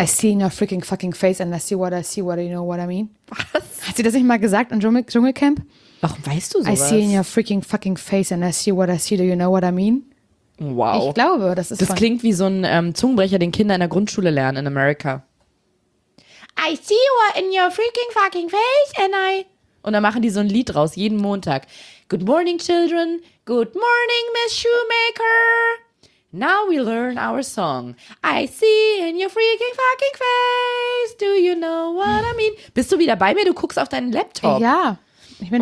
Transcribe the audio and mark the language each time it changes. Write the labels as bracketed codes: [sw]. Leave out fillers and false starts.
[en] I see in your freaking fucking face and I see what you know what I mean. [de] Was? Hat sie das nicht mal gesagt im Dschungelcamp? Warum weißt du sowas? [en] I see in your freaking fucking face and I see, do you know what I mean? Wow. [de] Ich glaube, das ist das klingt wie so ein Zungenbrecher, den Kinder in der Grundschule lernen in Amerika. [en] I see you are in your freaking fucking face and I... [de] Und dann machen die so ein Lied raus, jeden Montag. [en] Good morning, children. Good morning, Miss Shoemaker. Now we learn our song. I see in your freaking fucking face. Do you know what I mean? [de] Bist du wieder bei mir? Du guckst auf deinen Laptop. Ja, ich bin